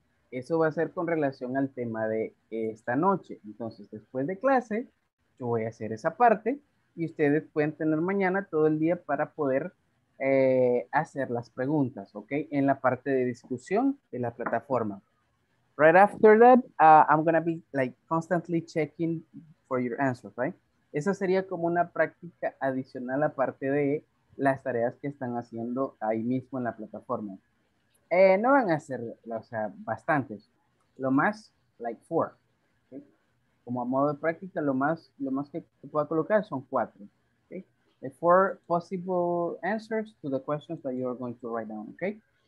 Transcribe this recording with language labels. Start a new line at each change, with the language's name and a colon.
Spanish: Eso va a ser con relación al tema de esta noche. Entonces, después de clase, yo voy a hacer esa parte y ustedes pueden tener mañana todo el día para poder hacer las preguntas, ¿ok? En la parte de discusión de la plataforma.
English: Right after that, I'm going to be like constantly checking for your answers, right?
Spanish: Esa sería como una práctica adicional aparte de las tareas que están haciendo ahí mismo en la plataforma. No van a ser, o sea, bastantes. Lo más,
English: like four.
Spanish: ¿Okay? Como a modo de práctica, lo más que pueda colocar son cuatro. ¿Okay?
English: The four possible answers to the questions that you are going to write down, okay?